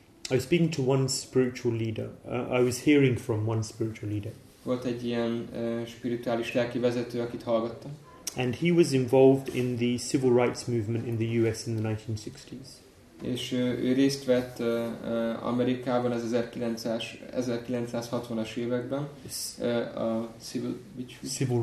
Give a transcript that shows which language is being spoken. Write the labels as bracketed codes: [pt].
[en] I was speaking to one spiritual leader. I was hearing from one spiritual leader. [hu] Volt egy ilyen spirituális lelki vezető, akit hallgattam. [en] And he was involved in the civil rights movement in the US in the 1960s. [hu] És ő részt vett Amerikában az 1960-as években a civil